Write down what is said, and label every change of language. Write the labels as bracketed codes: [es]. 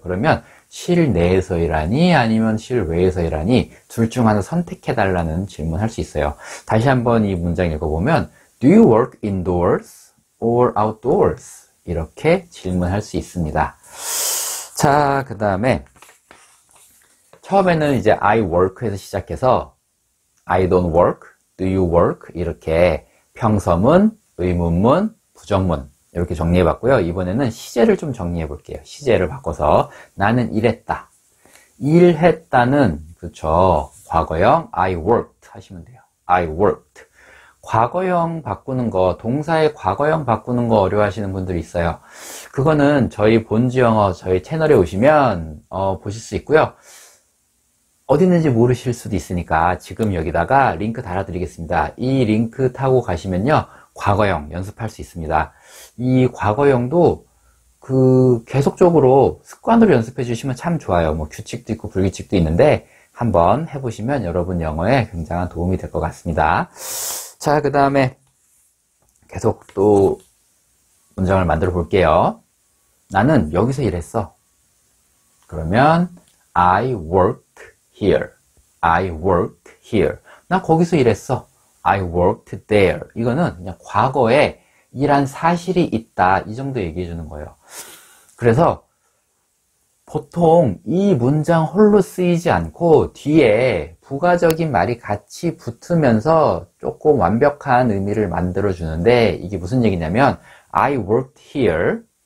[ko] 그러면 실내에서 일하니 아니면 실외에서 일하니 둘중 하나 선택해 달라는 질문할 수 있어요. 다시 한번 이 문장 읽어보면 [en] Do you work indoors or outdoors? [ko] 이렇게 질문할 수 있습니다. 자, 그 다음에 처음에는 이제 [en] I work에서 [ko] 시작해서 [en] I don't work, Do you work? [ko] 이렇게 평서문, 의문문, 부정문 이렇게 정리해 봤고요. 이번에는 시제를 좀 정리해 볼게요. 시제를 바꿔서 나는 일했다. 일했다는, 그쵸, 과거형 [en] I worked [ko] 하시면 돼요. [en] I worked. [ko] 과거형 바꾸는 거, 동사의 과거형 바꾸는 거 어려워하시는 분들이 있어요. 그거는 저희 본지 영어, 저희 채널에 오시면 보실 수 있고요. 어디 있는지 모르실 수도 있으니까 지금 여기다가 링크 달아드리겠습니다. 이 링크 타고 가시면요. 과거형 연습할 수 있습니다. 이 과거형도 그 계속적으로 습관으로 연습해 주시면 참 좋아요. 뭐 규칙도 있고 불규칙도 있는데 한번 해보시면 여러분 영어에 굉장한 도움이 될것 같습니다. 자, 그 다음에 계속 또 문장을 만들어 볼게요. 나는 여기서 일했어. 그러면 [en] I worked here. I worked here. [ko] 나 거기서 일했어. [en] I worked there. [ko] 이거는 그냥 과거에 일한 사실이 있다. 이 정도 얘기해 주는 거예요. 그래서 보통 이 문장 홀로 쓰이지 않고 뒤에 부가적인 말이 같이 붙으면서 조금 완벽한 의미를 만들어 주는데 이게 무슨 얘기냐면 [en] I worked here.